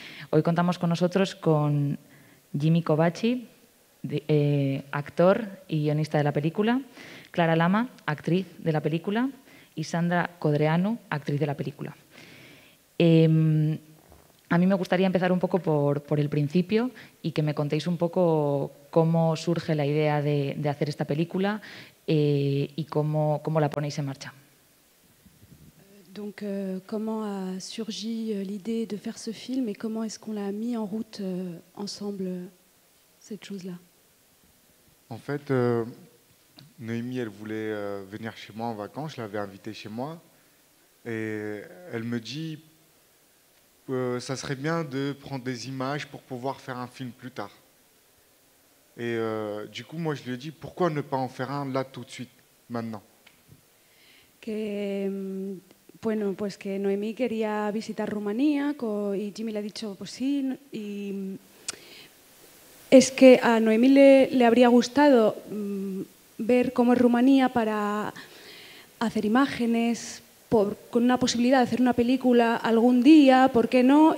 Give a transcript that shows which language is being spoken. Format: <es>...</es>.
<es>Hoy contamos con nosotros con Jimmy Kobachi, actor y guionista de la película, Clara Lama, actriz de la película, y Sandra Codreanu, actriz de la película. A mí me gustaría empezar un poco por el principio y que me contéis un poco cómo surge la idea de hacer esta película y cómo la ponéis en marcha.</es> <fr>Donc comment a surgi l'idée de faire ce film et comment est-ce qu'on l'a mis en route ensemble cette chose-là? En fait, Noémie, elle voulait venir chez moi en vacances, je l'avais invitée chez moi et elle me dit ça serait bien de prendre des images pour pouvoir faire un film plus tard. Et du coup, moi, je lui ai dit, pourquoi ne pas en faire un là, tout de suite, maintenant?</fr> <es>Que, bueno, pues que Noemí quería visitar Rumanía y Jimmy le ha dicho, pues sí. Y es que a Noemí le habría gustado ver cómo es Rumanía para hacer imágenes, con una posibilidad de hacer una película algún día, ¿por qué no?</es>